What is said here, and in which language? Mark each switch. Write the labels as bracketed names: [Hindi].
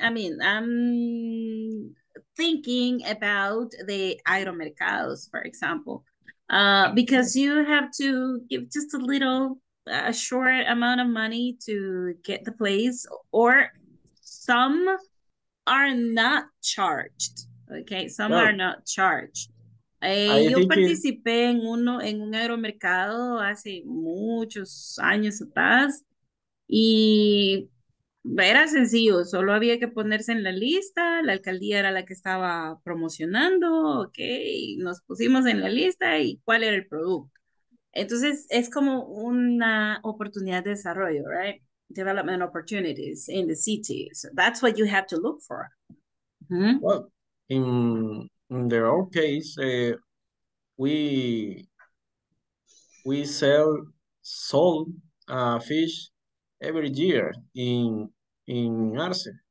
[English] I mean, I'm thinking about the aeromercados, for example, because you have to give just a little, a short amount of money to get the place, or some are not charged. Okay, some are not charged. [Spanish] Yo participé en un aeromercado hace muchos años atrás y era sencillo, solo había que ponerse en la lista, la alcaldía era la que estaba promocionando, okay, nos pusimos en la lista y cuál era el producto. Entonces, es como una oportunidad de desarrollo, [English] right? Development opportunities in the city. So that's what you have to look for. Mm-hmm. Well, in the old case, we sold fish every year in Arce.